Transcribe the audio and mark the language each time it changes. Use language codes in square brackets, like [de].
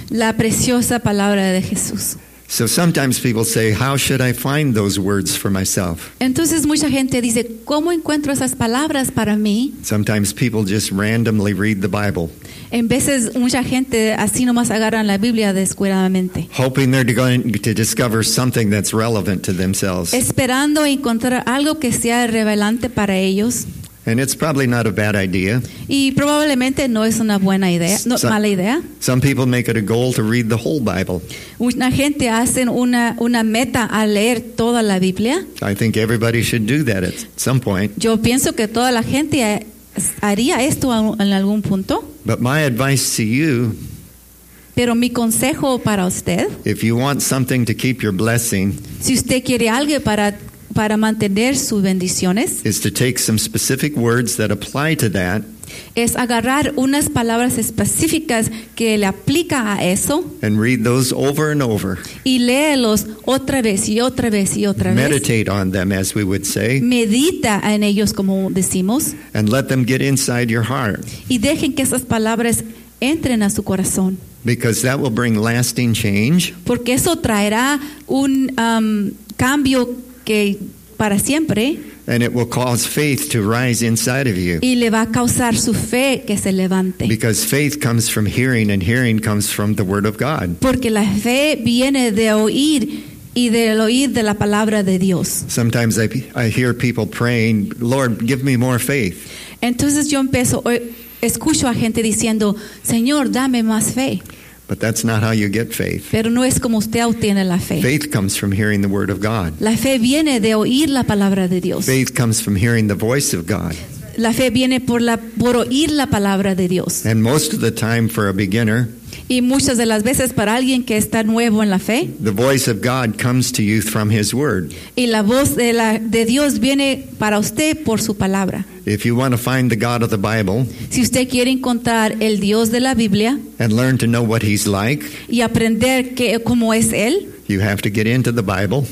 [es] La preciosa palabra de Jesús. [en] So sometimes people say, how should I find those words for myself? [es] Entonces mucha gente dice, ¿cómo encuentro esas palabras para mí? [en] Sometimes people just randomly read the Bible. [es] En veces mucha gente así nomás agarran la Biblia descuidadamente. [en] Hoping they're going to discover something that's relevant to themselves. [es] Esperando encontrar algo que sea relevante para ellos. [en] And it's probably not a bad idea. [es] Y probablemente no es una buena idea, no, mala idea. [en] Some people make it a goal to read the whole Bible. [es] Una gente hacen una meta a leer toda la Biblia. [en] I think everybody should do that at some point. [es] Yo pienso que toda la gente haría esto en algún punto. [en] But my advice to you, [es] pero mi consejo para usted, [en] if you want something to keep your blessing, [es] si usted quiere algo para mantener sus bendiciones, [en] is to take some specific words that apply to that, [es] es agarrar unas palabras específicas que le aplica a eso, [en] and read those over and over, [es] y léelos otra vez y otra vez y otra vez, [en] meditate on them, as we would say, [es] medita en ellos como decimos, [en] and let them get inside your heart, [es] y dejen que esas palabras entren a su corazón, [en] because that will bring lasting change, [es] porque eso traerá un cambio que para siempre, [en] and it will cause faith to rise inside of you. [es] Y le va a causar su fe que se levante. [en] Because faith comes from hearing, and hearing comes from the word of God. [es] Porque la fe viene de oír y del oír de la palabra de Dios. [en] Sometimes I hear people praying, Lord, give me more faith. [es] Entonces yo empiezo, escucho a gente diciendo, Señor, dame más fe. [en] But that's not how you get faith. [es] Pero no es como usted obtiene la fe. [en] Faith comes from hearing the word of God. [es] La fe viene de oír la palabra de Dios. [en] Faith comes from hearing the voice of God. [es] La fe viene por oír la palabra de Dios. [en] And most of the time for a beginner, [es] y muchas de las veces para alguien que está nuevo en la fe, [en] the voice of God comes to you from His word. [es] Y la voz de Dios viene para usted por su palabra. [en] If you want to find the God of the Bible, [es] si usted quiere encontrar el Dios de la Biblia, [en] and learn to know what He's like, [es] y aprender cómo es Él, [en] you have to get into the Bible,